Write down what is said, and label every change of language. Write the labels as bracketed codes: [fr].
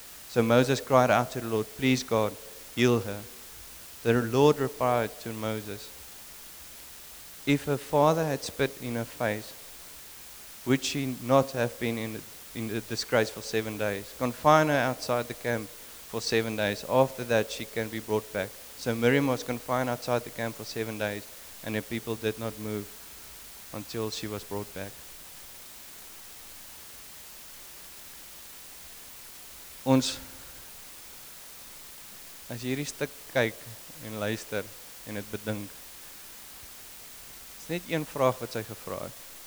[en] So Moses cried out to the Lord, please God, heal her. The Lord replied to Moses, if her father had spit in her face, would she not have been in the disgrace for 7 days? Confine her outside the camp for 7 days. After that, she can be brought back. So Miriam was confined outside the camp for 7 days, and her people did not move until she was brought back. [af] Ons, as jy hierdie stuk kyk en luister en dit bedink, net een vraag wat sy gevra het.